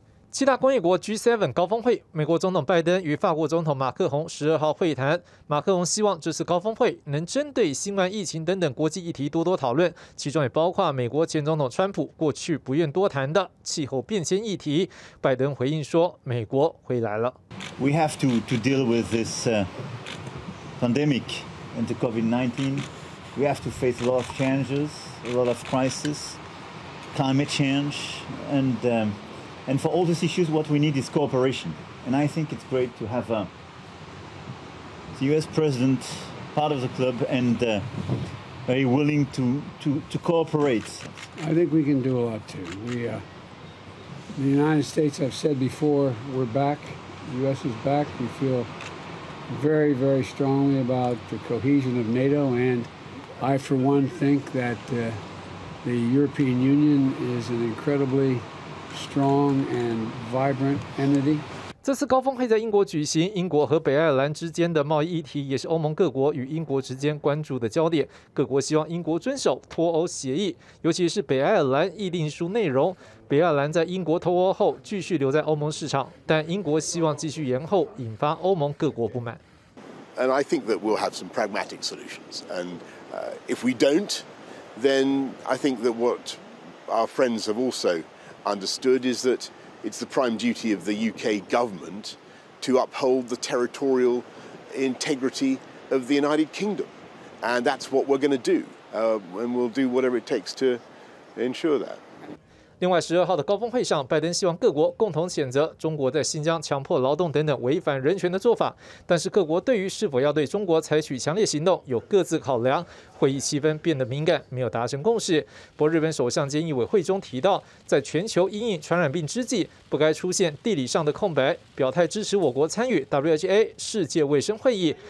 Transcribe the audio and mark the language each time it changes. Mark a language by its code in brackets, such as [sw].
[zh] 七大工业国 G7 高峰会，美国总统拜登与法国总统马克宏12号会谈。马克宏希望这次高峰会能针对新冠疫情等等国际议题多多讨论，其中也包括美国前总统川普过去不愿多谈的气候变迁议题。拜登回应说：“美国回来了。 [en] We have to deal with this pandemic and the COVID-19. We have to face a lot of challenges, a lot of crisis, climate change, and.” And for all these issues, what we need is cooperation. And I think it's great to have the US president part of the club and very willing to cooperate. I think we can do a lot too. The United States, I've said before, we're back. The US is back. We feel very, very strongly about the cohesion of NATO. And I, for one, think that the European Union is an incredibly strong and vibrant entity. [zh] 这次高峰会在英国举行，英国和北爱尔兰之间的贸易议题也是欧盟各国与英国之间关注的焦点。各国希望英国遵守脱欧协议，尤其是北爱尔兰议定书内容。北爱尔兰在英国脱欧后继续留在欧盟市场，但英国希望继续延后，引发欧盟各国不满。 [en] And I think that we'll have some pragmatic solutions. And if we don't, then I think that what our friends have also. Understood is that it's the prime duty of the UK government to uphold the territorial integrity of the United Kingdom. And that's what we're going to do. And we'll do whatever it takes to ensure that. [zh] 另外12号的高峰会上，拜登希望各国共同谴责中国在新疆强迫劳动等等违反人权的做法。但是各国对于是否要对中国采取强烈行动有各自考量。会议气氛变得敏感，没有达成共识。不过日本首相菅义伟会中提到，在全球因应传染病之际，不该出现地理上的空白，表态支持我国参与 WHA 世界卫生会议。